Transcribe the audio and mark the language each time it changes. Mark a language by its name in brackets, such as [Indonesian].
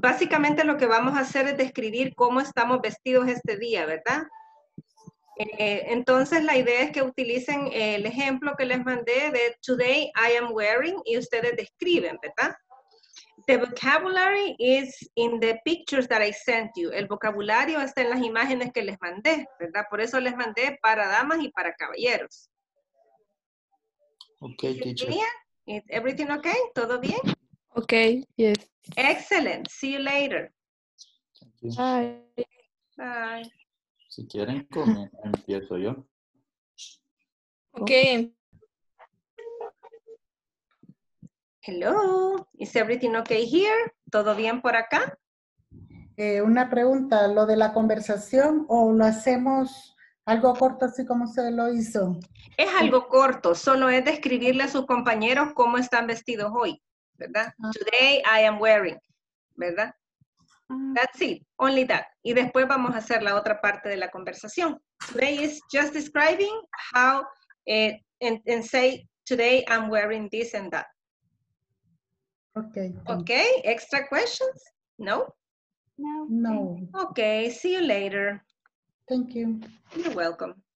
[Spanish] Básicamente lo que vamos a hacer es describir cómo estamos vestidos este día, ¿verdad? Entonces la idea es que utilicen el ejemplo que les mandé de [English] today I am wearing [Spanish] y ustedes describen, ¿verdad? [English] The vocabulary is in the pictures that I sent you. [Spanish] El vocabulario está en las imágenes que les mandé, ¿verdad? Por eso les mandé para damas y para caballeros. [English] Ok, teacher. Everything ok? [Spanish] ¿Todo bien? [English] Okay, yes. Excellent. See you later. Thank you. Bye. Bye. [Spanish] Si quieren, come, empiezo yo. [English] Okay. Hello. Is everything okay here? [Spanish] ¿Todo bien por acá? Una pregunta, lo de la conversación, ¿o lo hacemos algo corto así como se lo hizo? Es algo corto, solo es describirle a sus compañeros cómo están vestidos hoy, ¿verdad? [English] Today I am wearing, ¿verdad? That's it, only that. [Spanish] Y después vamos a hacer la otra parte de la conversación. [English] Today is just describing how, and say, today I'm wearing this and that. Okay. Okay, extra questions? No? No. No. Okay, see you later. Thank you. You're welcome.